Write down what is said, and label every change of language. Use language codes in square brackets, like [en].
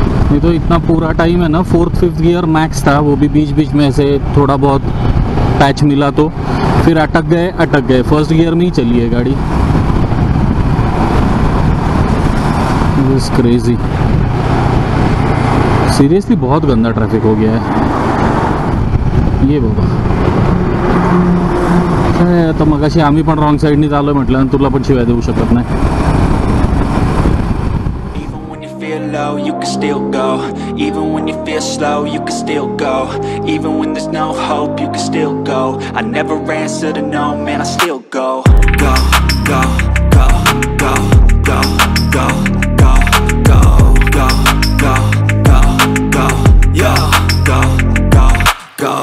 [hi] नहीं तो इतना पूरा टाइम है ना 4th-5th गियर मैक्स था, वो भी बीच बीच में ऐसे थोड़ा बहुत पैच मिला तो फिर अटक गए, फर्स्ट गियर में ही चली है गाड़ी। [en] this crazy, seriously [hi] बहुत गंदा ट्रैफिक हो गया है ये बाबा। [mr] तो मग अशी आम्ही पण रॉंग साइड नी चालू म्हटलं आणि तुला पण शिवाय देऊ शकत नाही। [en] Low, you can still go. Even when you feel slow, you can still go. Even when there's no hope, you can still go. I never answer to no, man, I still go. Go, go, go, go, go, go, go, go, go, go, go, go, yo, go, go, go.